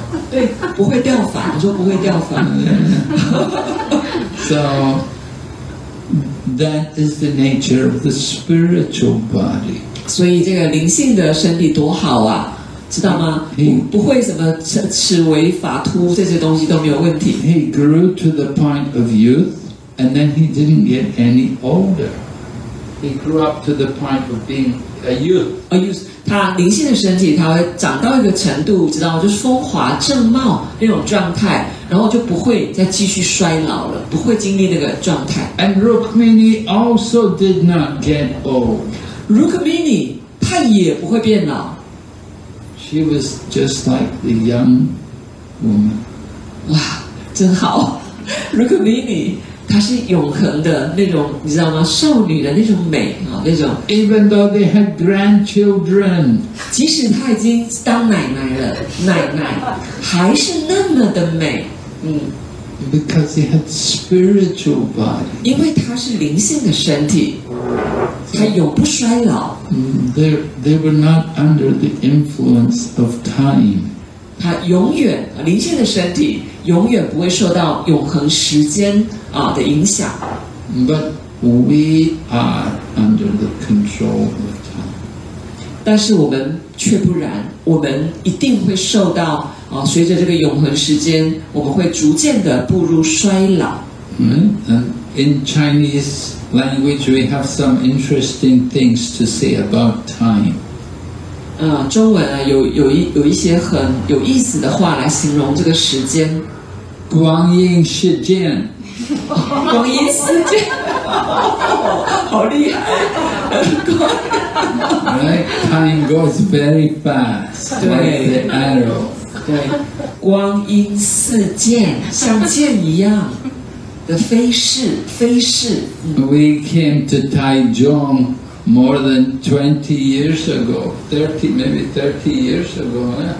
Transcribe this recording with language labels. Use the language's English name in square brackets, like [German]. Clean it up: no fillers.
[Chinese] 对，不会掉发，我说不会掉发。 [English] So that is the nature of the spiritual body. [Chinese] 所以这个灵性的身体多好啊，知道吗？不会什么齿微发秃这些东西都没有问题。 [English] He grew to the point of youth. And then he didn't get any older. He grew up to the point of being a youth. A youth. [Chinese] 他灵性的身体，他会长到一个程度，知道吗？就是风华正茂那种状态，然后就不会再继续衰老了，不会经历那个状态。 [English] And Rukmini also did not get old. [Chinese] Rukmini, 她也不会变老。 [English] She was just like the young woman. [Chinese] 哇，真好 ，Rukmini。她是永恒的那种，你知道吗？少女的那种美那种。 [English] Even though they had grandchildren， [Chinese] 即使她已经当奶奶了，奶奶还是那么的美。 [English] Because they had spiritual body， [Chinese] 因为她是灵性的身体，她永不衰老。 [English] They were not under the influence of time。 [Chinese] 她永远灵性的身体。永远不会受到永恒时间的影响。 [English] But we are under the control of time. [Chinese] 但是我们却不然，我们一定会受到随着这个永恒时间，我们会逐渐的步入衰老。 [English] In Chinese language, we have some interesting things to say about time. [Chinese] 中文有一些很有意思的话来形容这个时间。光阴似箭，光阴似箭，好厉害！ [English] Right, time goes very fast, like the arrow. [Chinese] 对，光阴似箭，像箭一样的飞逝，飞逝。 [English] We came to Taichung more than 20 years ago, 30 years ago.